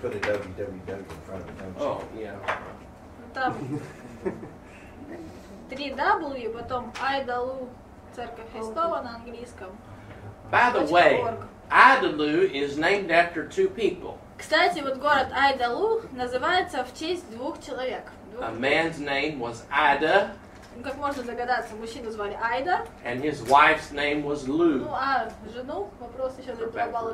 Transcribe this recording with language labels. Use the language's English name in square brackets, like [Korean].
[English] Put a www in front of it, don't you? Oh, yeah. [Russian] Там 3W, потом Idaloo, Церковь Христова на английском. [English] By the way, Idaloo is named after two people. [Russian] Кстати, вот город Idaloo называется в честь двух человек. [English] A man's name was Ida. [Russian] Ну, как можно догадаться, мужчину звали Ida. [English] And his wife's name was Lou. [Russian] Ну, а жену, вопрос еще за 2 балла.